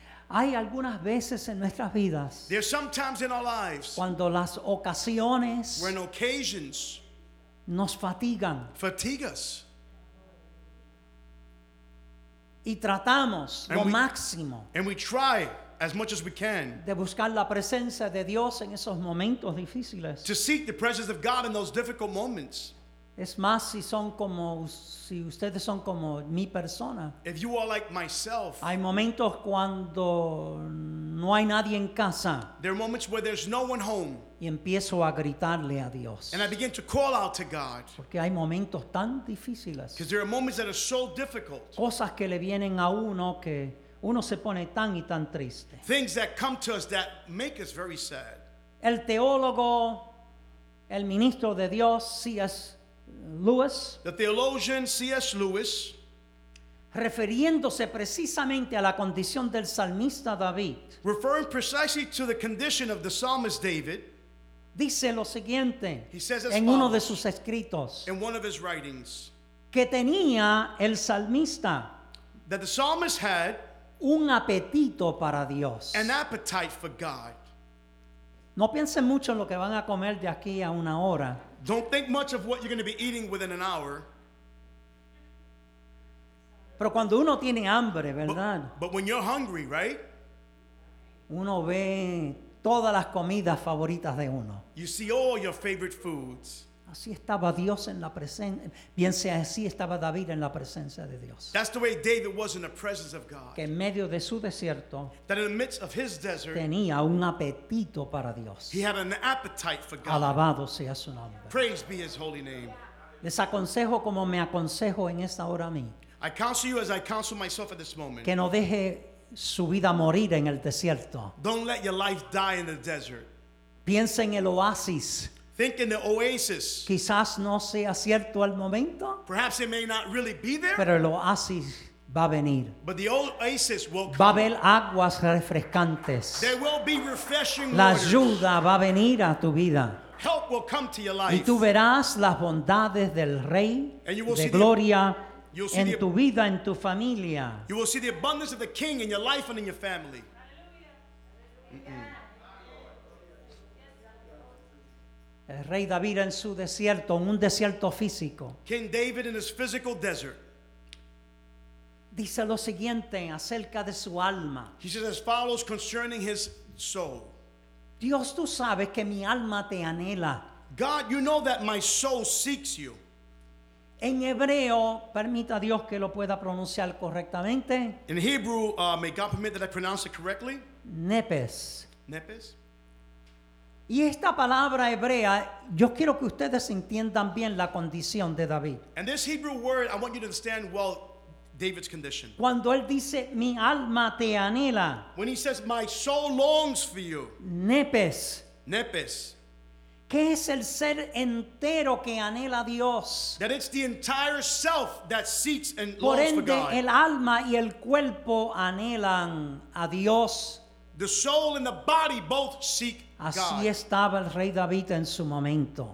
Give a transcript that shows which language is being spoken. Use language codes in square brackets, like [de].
[es] Hay algunas veces en nuestras vidas. [en] There's sometimes in our lives. [es] Cuando las ocasiones. [en] When occasions. [es] Nos fatigan. [en] Fatigue us. [es] Y tratamos lo máximo. [en] And we try as much as we can. [es] De buscar la presencia de Dios en esos momentos difíciles. [en] To seek the presence of God in those difficult moments. [es] Es más, si son como, si ustedes son como mi persona. [en] If you are like myself. [es] Hay momentos cuando no hay nadie en casa. [en] There are moments where there's no one home. [es] Y empiezo a gritarle a Dios. [en] And I begin to call out to God. [es] Porque hay momentos tan difíciles. [en] Because there are moments that are so difficult. [es] Cosas que le vienen a uno que uno se pone tan y tan triste. [en] Things that come to us that make us very sad. [es] El teólogo, el ministro de Dios, sí es Lewis, [en] the theologian C.S. Lewis, [es] refiriéndose precisamente a la condición del salmista David, [en] referring precisely to the condition of the psalmist David, [es] dice lo siguiente, [en] he says [es] en uno de sus escritos, [en] in one of his writings, [es] que tenía el salmista, [en] that the psalmist had [es] un apetito para Dios, [en] an appetite for God. [es] No piensen mucho en lo que van a comer de aquí a una hora. [en] Don't think much of what you're going to be eating within an hour. [es] Pero cuando uno tiene hambre, ¿verdad? [en] But when you're hungry, right? [es] Uno ve todas las comidas favoritas de uno. [en] You see all your favorite foods. [es] Así estaba Dios en la presencia. Bien sea así estaba David en la presencia de Dios. [en] That's the way David was in the presence of God. [es] Que en medio de su desierto. [en] That in the midst of his desert. [es] Tenía un apetito para Dios. [en] He had an appetite for God. [es] Alabado sea su nombre. [en] Praise be his holy name. [es] Les aconsejo como me aconsejo en esta hora a mí. [en] I counsel you as I counsel myself at this moment. [es] Que no deje su vida morir en el desierto. [en] Don't let your life die in the desert. [es] Piensa en el oasis. [en] Think in the oasis. [es] Quizás no sea cierto al momento. [en] Perhaps it may not really be there. [es] Pero el oasis va a venir. [en] But the oasis will come. [es] Va a haber aguas refrescantes. [en] There will be refreshing [es] waters. La ayuda va a venir a tu vida. [en] Help will come to your life. [es] Y tú verás las bondades del Rey de gloria en tu vida, en tu familia. [en] You will see the abundance of the King in your life and in your family. [es] El rey David en su desierto, en un desierto físico. [en] King David in his physical desert. [es] Dice lo siguiente acerca de su alma. [en] He says as follows concerning his soul. [es] Dios, tú sabes que mi alma te anhela. [en] God, you know that my soul seeks you. [es] En hebreo, permita Dios que lo pueda pronunciar correctamente. [en] In Hebrew, may God permit that I pronounce it correctly. [he] Nepes. Nepes. [es] Y esta palabra hebrea, yo quiero que ustedes entiendan bien la condición de David. [en] And this Hebrew word, I want you to understand well David's condition. [es] Cuando él dice, mi alma te anhela. [en] When he says, my soul longs for you. [he] Nepes. Nepes. [es] ¿Qué es el ser entero que anhela Dios? [en] That it's the entire self that seeks and longs for God. [es] Por ende, el alma y el cuerpo anhelan a Dios. [en] The soul and the body both seek God. [es] Así estaba el rey David en su momento.